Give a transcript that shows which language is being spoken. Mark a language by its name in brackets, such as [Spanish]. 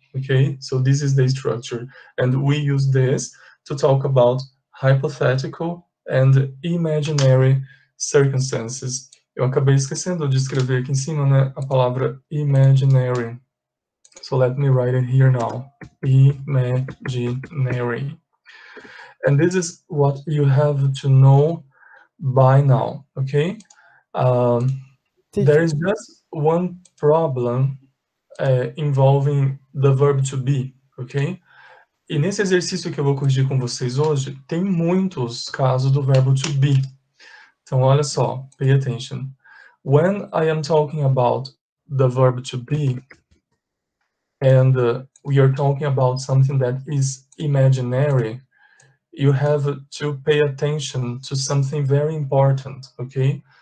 [English] Okay, so this is the structure, and we use this to talk about hypothetical and imaginary circumstances. [Portuguese] Eu acabei esquecendo de escrever aqui em cima, né, a palavra imaginary. [English] So let me write it here now. Imaginary. And this is what you have to know by now, okay? There is just one problem. Involving the verb to be, ok? [Portuguese] E nesse exercício que eu vou corrigir com vocês hoje, tem muitos casos do verbo to be. Então, olha só, [English] pay attention. When I am talking about the verb to be, and we are talking about something that is imaginary, you have to pay attention to something very important, ok?